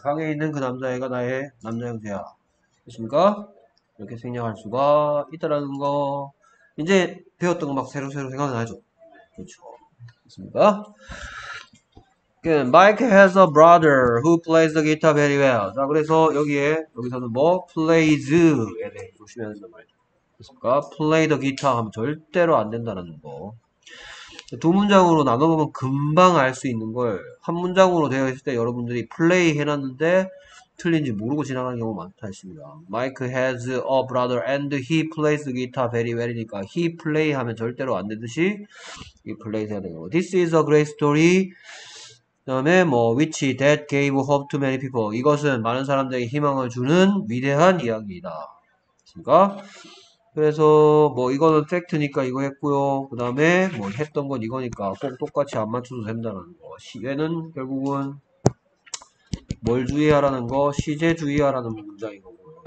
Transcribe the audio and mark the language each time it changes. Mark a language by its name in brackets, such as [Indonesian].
[Korean] 방에 있는 그 남자애가 나의 남자 형제야. 그렇습니까? 이렇게 생략할 수가 있다라는 거. 이제 배웠던 거막 새로 생각나죠. 그렇죠. 그렇습니까? [English] Mike has a brother who plays the guitar very well. [Korean] 자, 그래서 여기서는 뭐? plays에 대해 조심해야 된단 말이죠. 그렇습니까? play the guitar 하면 절대로 안 된다라는 거. 두 문장으로 나눠보면 금방 알수 있는 걸, 한 문장으로 되어 있을 때 여러분들이 플레이 해놨는데 틀린지 모르고 지나가는 경우 많다 했습니다. [English] Mike has a brother and he plays guitar very well이니까 he play [Korean] 하면 절대로 안 되듯이 이 플레이 해야 되는 거. [English] This is a great story. [Korean] 그다음에 뭐 [English] which that gave hope to many people. [Korean] 이것은 많은 사람들에게 희망을 주는 위대한 이야기이다. 그러니까 그래서 뭐 이거는 팩트니까 이거 했고요. 그 다음에 뭐 했던 건 이거니까 꼭 똑같이 안 맞춰도 된다는 거. 시제는 결국은 뭘 주의하라는 거, 시제주의하라는 문장인 거고요.